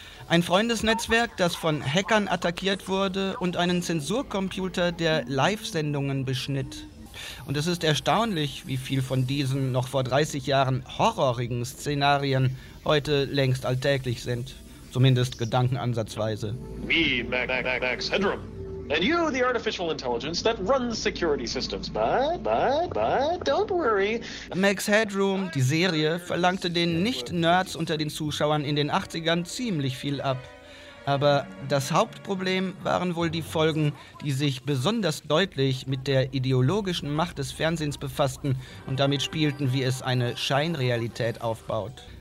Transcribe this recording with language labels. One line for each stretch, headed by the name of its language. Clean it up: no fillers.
German: Ein Freundesnetzwerk, das von Hackern attackiert wurde und einen Zensurcomputer, der Live-Sendungen beschnitt. Und es ist erstaunlich, wie viel von diesen noch vor 30 Jahren horrorigen Szenarien heute längst alltäglich sind. Zumindest gedankenansatzweise.
English: Me, Max Headroom. And you, the artificial intelligence that runs security systems. But, don't worry.
German: Max Headroom, die Serie, verlangte den Nicht-Nerds unter den Zuschauern in den 80ern ziemlich viel ab. Aber das Hauptproblem waren wohl die Folgen, die sich besonders deutlich mit der ideologischen Macht des Fernsehens befassten und damit spielten, wie es eine Scheinrealität aufbaut.